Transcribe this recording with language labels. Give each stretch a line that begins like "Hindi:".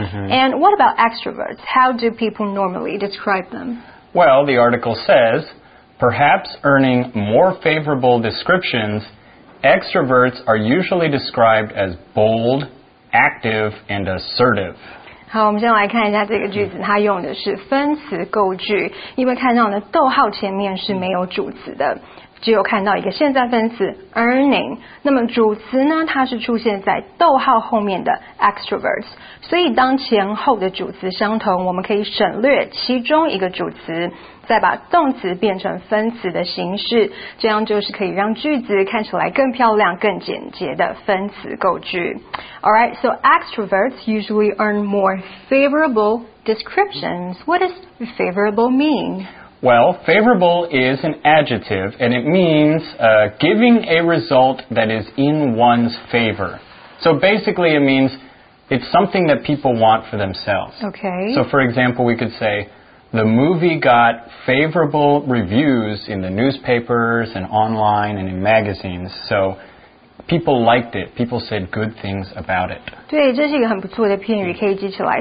English: mm-hmm. And what about extroverts? How do people normally describe them? Well, the article says, perhaps earning more favorable descriptions, extroverts are usually described as bold, active, and assertive.
Chinese: 好，我们先来看一下这个句子，它用的是分词构句，因为看到呢，逗号前面是没有主词的。只有看到一个现在分词 earning 那么主词呢它是出现在逗号后面的 extroverts 所以当前后的主词相同我们可以省略其中一个主词再把动词变成分词的形式这样就是可以让句子看起来更漂亮更简洁的分词构句
English: Alright, so extroverts usually earn more favorable descriptions What does favorable mean? Well, favorable is an adjective, and it means giving a result that is in one's favor. So basically, it means it's something that people want for themselves. Okay. So for example, we could say, the movie got favorable reviews in the newspapers and online and in magazines, so... People liked it. People said good things about it.
Chinese: 对，这是一个很不错的片语，可以记起来。